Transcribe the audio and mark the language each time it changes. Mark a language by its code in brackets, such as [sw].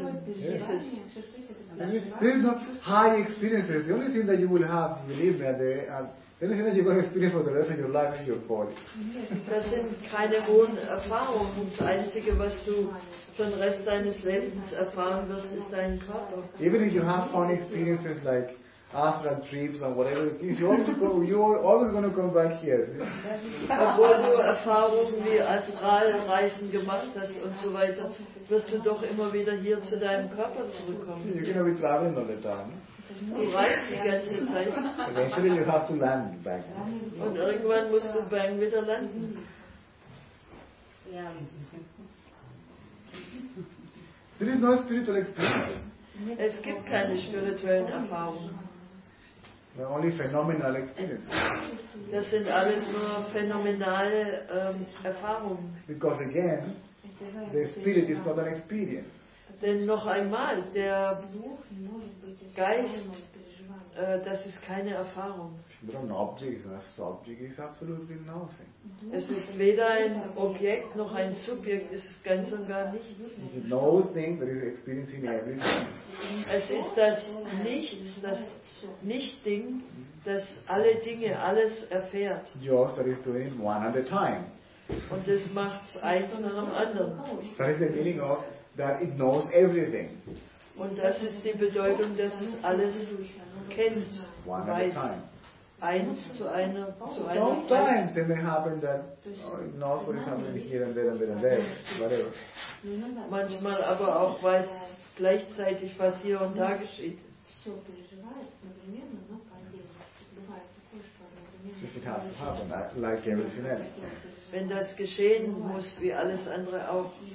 [en] I mean, there is not high experiences. The only thing that you will have, believe me, at the, at, Anything that you're going to experience for the rest of your life is your body. [de] Das sind keine hohen Erfahrungen. Das Einzige, was du für den Rest deines Lebens erfahren wirst, ist dein Körper. [en] Even if you have fun experiences like astral trips and whatever it is, you're always going to come back here. [de] Obwohl du Erfahrungen wie Astralreisen gemacht hast und so weiter, wirst du doch immer wieder hier zu deinem Körper zurückkommen. [en] You're going to be traveling all the time. [de] Du reist die ganze Zeit. [en] Eventually you have to land back. [de] Und irgendwann musst du bang wieder landen. [en] There is no spiritual experience. [de] Es gibt keine spirituellen Erfahrungen. [en] They're only phenomenal experiences. [de] Das sind alles nur phänomenale Erfahrungen. [en] Because again, the spirit is not an experience. [de] Denn noch einmal, der Geist, das ist keine Erfahrung. [en] But an object, a subject is absolutely nothing. [de] Es ist weder ein Objekt noch ein Subjekt, es ist ganz und gar nichts. [en] It's nothing that is experiencing everything. [de] Es ist das Nichts, das Nichtding, das alle Dinge, alles erfährt. [en] Just that is doing one at a time. [de] Und das macht es eins nach dem anderen. [en] That is the meaning of that it knows everything. [de] Und das ist die Bedeutung, dass es alles kennt. [en] One at a time. [de] Eins zu einer Zeit. [en] Sometimes it may happen that it knows what is happening here and there and there and there. Whatever. [de] Manchmal aber auch weiß gleichzeitig, was hier und da geschieht. [en] If it has to happen, like everything else. [de] Wenn das geschehen muss, wie alles andere auch.